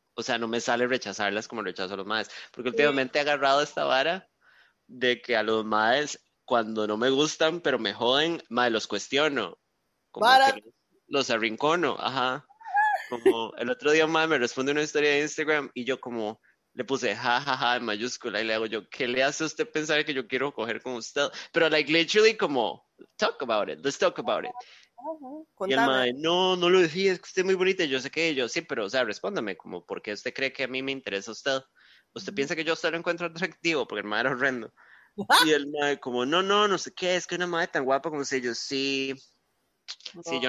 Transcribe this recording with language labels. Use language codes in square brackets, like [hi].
[es] O sea, no me sale rechazarlas como rechazo a los maes. Porque últimamente he agarrado esta vara de que a los maes, cuando no me gustan, pero me joden, mae, los cuestiono. Como Para. que los arrincono. Ajá. Como el otro día, mae, me responde una historia de Instagram y yo, como le puse ja, ja, ja en mayúscula y le hago yo, ¿qué le hace a usted pensar que yo quiero coger con usted? [en] Pero, like, literally, como, talk about it, let's talk about it. [es] Y el Contame. mae, no, no lo decía, es que usted es muy bonita, yo sé que yo, sí, pero, o sea, respóndame, como, ¿por qué usted cree que a mí me interesa usted? ¿Usted piensa que yo a usted lo encuentro atractivo? Porque el mae era horrendo. Y el mae, como, no, no, no sé qué, es que una mae tan guapa como usted, yo, sí, yo